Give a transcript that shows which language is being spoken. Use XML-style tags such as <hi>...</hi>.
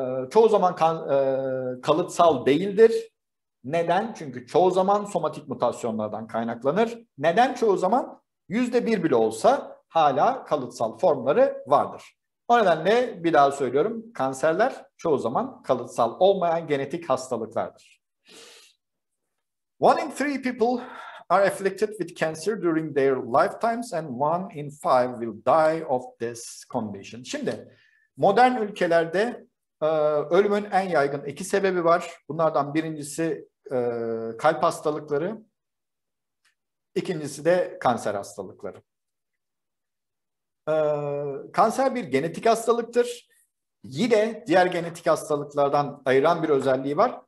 <tr>Çoğu zaman kalıtsal değildir. Neden? Çünkü çoğu zaman somatik mutasyonlardan kaynaklanır. Neden çoğu zaman? %1 bile olsa hala kalıtsal formları vardır. O nedenle bir daha söylüyorum, kanserler çoğu zaman kalıtsal olmayan genetik hastalıklardır.</tr> <en>One in three people are afflicted with cancer during their lifetimes and one in five will die of this condition.</en> <tr>Şimdi modern ülkelerde ölümün en yaygın iki sebebi var. Bunlardan birincisi kalp hastalıkları, ikincisi de kanser hastalıkları. Kanser bir genetik hastalıktır. Yine diğer genetik hastalıklardan ayıran bir özelliği var.</tr>